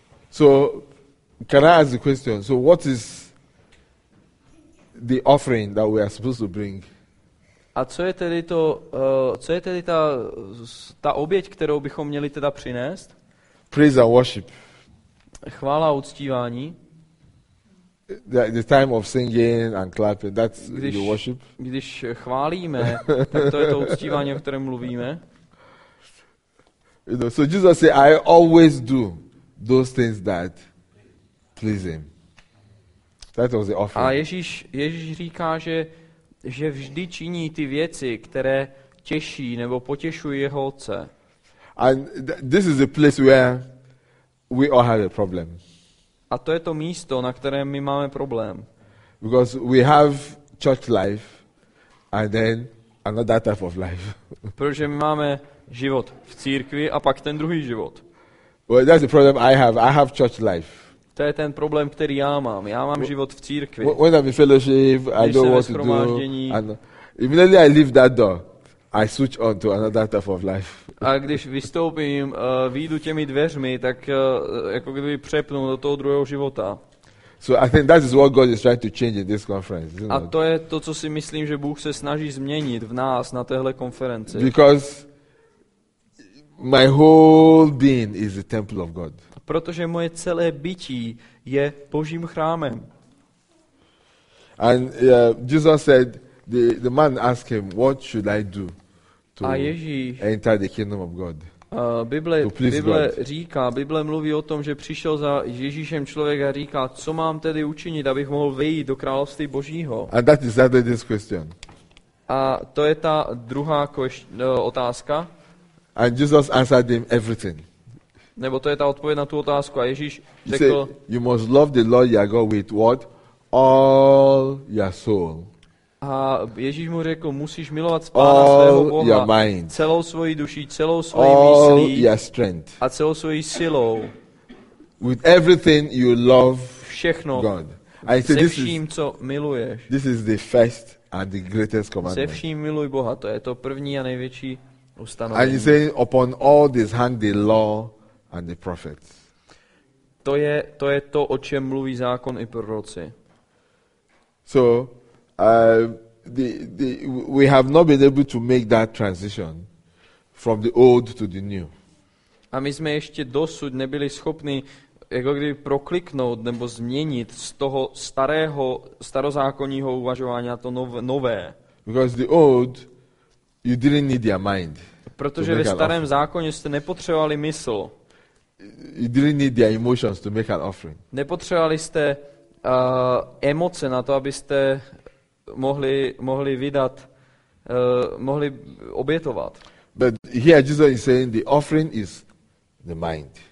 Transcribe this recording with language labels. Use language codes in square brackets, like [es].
[en] So, can I ask the question? So, what is the offering that we are supposed to bring? [cs] A co je tedy to, co je tedy ta oběť, kterou bychom měli teda přinést? [en] Praise and worship. [cs] Chvála a uctívání. [en] The time of singing and clapping, that's the worship. [cs] Když chválíme, tak to je to uctívání, o kterém mluvíme. [en] You know, so Jesus said, I always do those things that please him. That was the offering. [cs] A Ježíš říká, že vždy činí ty věci, které těší nebo potěšují jeho Otce. [en] And this is the place where we all have a problem. [cs] A to je to místo, na kterém my máme problém. [en] Because we have church life and then another type of life. [cs] Protože my máme život v církvi a pak ten druhý život. [en] Well, that's the problem I have. I have church life. [cs] To je ten problém, který já mám. Já mám život v církvi. [en] When I'm in fellowship, I know what to do. And immediately I leave that door, I switch on to another type of life. [cs] A když vystoupím, vyjdu těmi dveřmi, tak jako kdyby přepnu do toho druhého života. [en] So I think that is what God is trying to change in this conference. [cs] A to je to, co si myslím, že Bůh se snaží změnit v nás na téhle konferenci. [en] Because my whole being is the temple of God. [cs] Protože moje celé bytí je Božím chrámem. [en] And Jesus said, the man asked him, what should I do to enter the kingdom of God? [cs] Bible říká, Bible mluví o tom, že přišel za Ježíšem člověk a říká, co mám tedy učinit, abych mohl vejít do království Božího? [en] And that is exactly this question. [cs] A to je ta druhá otázka. [en] And Jesus answered him everything. [cs] Nebo to je ta odpověď na tu otázku. A Ježíš řekl, [en] he said, you must love the Lord your God with what? All your soul. [cs] A Ježíš mu řekl, musíš milovat Pána svého Boha. [en] Your mind. [cs] Celou svoji duší, celou svoji [en] all [cs] myslí. [en] Your strength. [cs] A celou svoji silou. [en] With everything you love [cs] všechno [en] God. And [cs] se vším, [en] this is, [cs] co miluješ. [en] This is the first and the greatest commandment. [cs] Se vším miluj Boha, to je to první a největší ustanovení. [en] And he said, upon all this hang the law and the prophets. [cs] To je to, o čem mluví zákon i proroci. [en] So the we have not been able to make that transition from the old to the new. [cs] A my jsme ještě dosud nebyli schopni jako kdyby prokliknout nebo změnit z toho starého starozákonního uvažování na to nové. [en] Because the old, you didn't need their mind. [cs] Protože ve starém zákoně jste nepotřebovali mysl. [en] You didn't need their emotions to make an offering. [cs] Nepotřebovali jste emoce na to, abyste mohli vydat, mohli obětovat. [en] But here Jesus is saying the offering is the mind.